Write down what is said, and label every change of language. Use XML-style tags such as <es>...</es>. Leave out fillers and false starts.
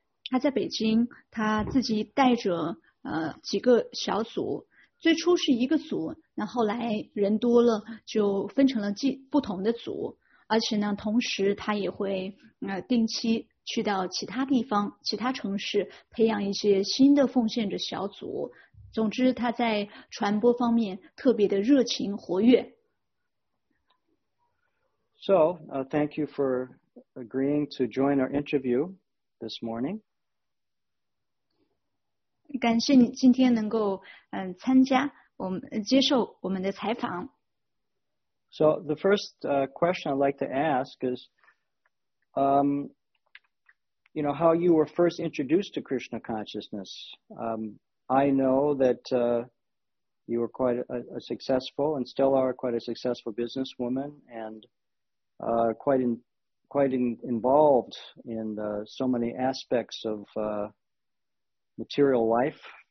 <zh>她在北京，她自己带着几个小组，最初是一个组，那后来人多了就分成了不同的组。而且呢，同时他也会定期去到其他地方、其他城市培养一些新的奉献者小组。总之，他在传播方面特别的热情活跃。</zh> <en>So, thank you for agreeing to join our interview this morning.</en> <zh>感谢你今天能够参加我们接受我们的采访。</zh> <en>So the first question I'd like to ask is, you know, how you were first introduced to Krishna consciousness. I know that you were quite a successful and still are quite a successful businesswoman and quite involved in so many aspects of material life.</en>